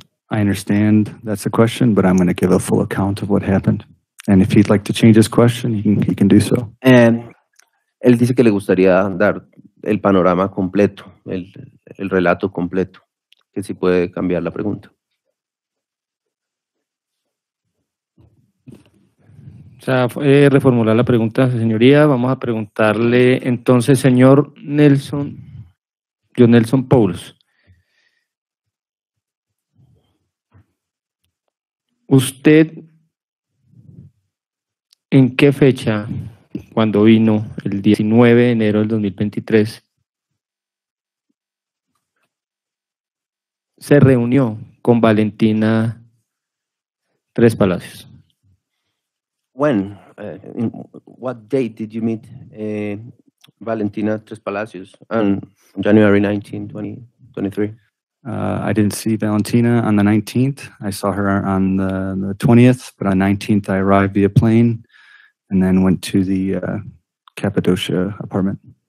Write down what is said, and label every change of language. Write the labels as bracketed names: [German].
[English] I understand that's the question, but I'm going to give a full account of what happened. And if he'd like to change his question, he can do so. [Spanish] Él dice que le gustaría dar el panorama completo, el relato completo, que si puede cambiar la pregunta. O sea, reformular la pregunta, señoría. Vamos a preguntarle entonces, señor Nelson, John Nelson Poulos. ¿Usted en qué fecha, cuando vino el 19 de enero del 2023, se reunió con Valentina Trespalacios? [English] When, what date did you meet Valentina Trespalacios on January 19, 2023? I didn't see Valentina on the 19th. I saw her on the 20th, but on 19th I arrived via plane and then went to the Cappadocia apartment.